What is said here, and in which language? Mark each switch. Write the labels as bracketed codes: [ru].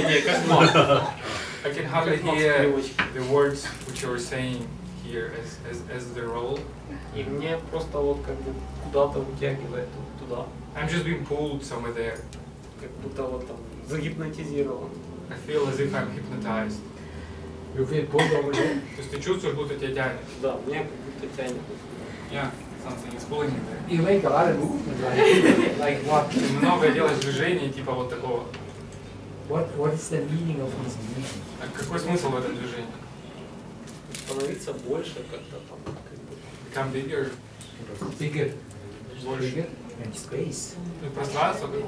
[en] I can hardly hear the words which you were saying here as the role. [ru] И мне просто вот как бы куда-то утягивает туда. [en] I'm just being pulled somewhere there. [ru] Как будто вот там загипнотизирован. [en] I feel as if I'm hypnotized. You feel pulled over there? [ru] То есть ты чувствуешь, будто тебя тянет? Да, мне как будто тянет. [en] Yeah, something is pulling you there. You make a lot of movement, like what? [ru] Ты много делаешь движений, типа вот такого. [en] What is the meaning of this movement? [ru] А какой смысл в этом движении? Становиться больше как-то там. [en] Become bigger. Bigger. [ru] Больше. [en] And space. [ru] Ну, пространство какое-то.